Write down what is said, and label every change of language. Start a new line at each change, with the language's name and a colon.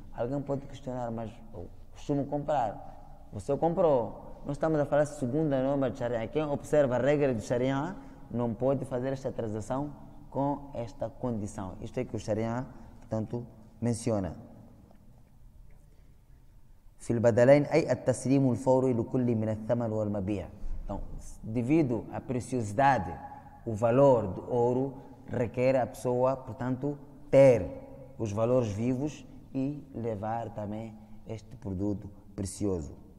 Portuguese: Alguém pode questionar, mas eu costumo comprar. Você comprou. Nós estamos a falar segundo a norma do Sharia. Quem observa a regra do Sharia não pode fazer esta transação com esta condição. Isto é que o Sharia, portanto, menciona.
Arabic: في البدلين أي التسليم الفوري لكل من الثمن والمبيع.
Portuguese: Então, devido à preciosidade, o valor do ouro requer a pessoa, portanto, ter os valores vivos e levar também este produto precioso.